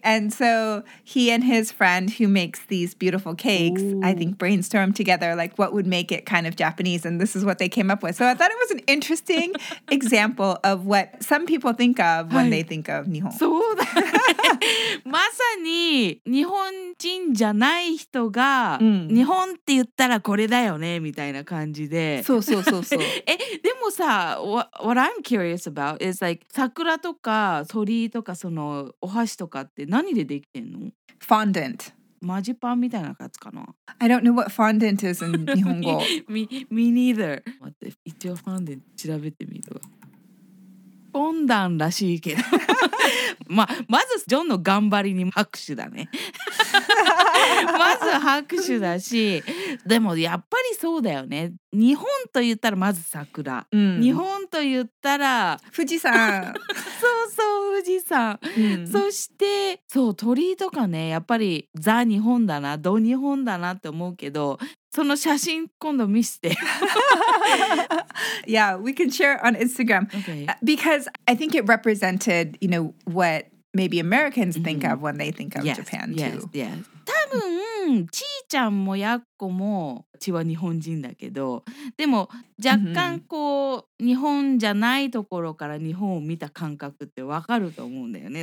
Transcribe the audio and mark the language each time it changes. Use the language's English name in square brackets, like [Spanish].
[English] And so he and his friend who makes these beautiful cakes, I think brainstormed together like what would make it kind of Japanese and this is what they came up with. So I thought it was an interesting example of what some people think of when they think of 日本. [Japanese] そうだね。まさに日本人じゃない人が日本って言ったらこれだよねみたいな感じで。そうそうそうそう。え、でもさ、 [English] what I'm curious about,It's like [Japanese] 桜とか鳥居とかそのお箸とかって何でできてんの? [English] Fondant. [Japanese] マジパンみたいなやつかな? [English] I don't know what fondant is in 日本語. me neither. [Japanese] 待って、一応ファンデント調べてみる。フォンダンらしいけど。まあ、まずジョンの頑張りに拍手だね。まず拍手だし、でもやっぱりそうだよね。日本と言ったらまず桜、日本と言ったら富士山。そうそう、富士山、そしてそう鳥居とかね、やっぱりザ日本だな、ド日本だなって思うけど、その写真今度見せて。 [English] Yeah, we can share on Instagram. Okay. Because I think it represented, you know, what maybe Americans think of when they think of yes, Japan too. Yes, yes. [Japanese] 多分ちーちゃんもやっこも血は日本人だけど、でも若干こう、日本じゃないところから日本を見た感覚ってわかると思うんだよね。